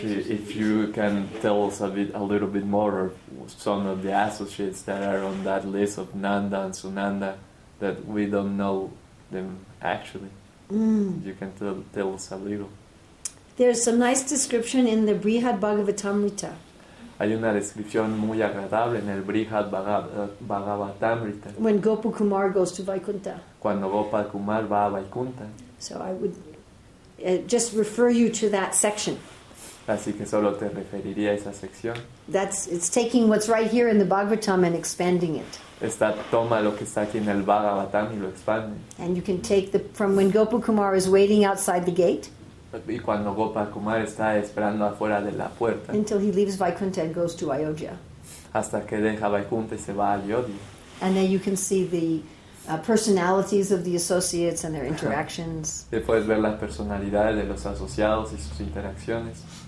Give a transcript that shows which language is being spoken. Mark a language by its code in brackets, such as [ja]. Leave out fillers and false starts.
[en] if you can tell us a little bit more of some of the associates that are on that list of Nanda and Sunanda that we don't know them actually. You can tell us a little. There's some nice description in the Brihad Bhagavatamrita. [es] Hay una descripción muy agradable en el Brihad Bhagavatamrita. [en] When Gopu Kumar goes to Vaikuntha. [es] Cuando Gopal Kumar va a Vaikuntha. [en] So I would just refer you to that section. [es] Así que solo te referiría a esa sección. [en] It's taking what's right here in the Bhagavatam and expanding it. [es] Toma lo que está aquí en el Bhagavatam y lo expande. [en] And you can take from when Gopal Kumar is waiting outside the gate. [es] Y cuando Gopal Kumar está esperando afuera de la puerta. [en] Until he leaves Vaikuntha and goes to Ayodhya. [es] Hasta que deja Vaikuntha y se va a Ayodhya. [en] And then you can see the personalities of the associates and their interactions. [es] Y puedes ver las personalidades de los asociados y sus interacciones.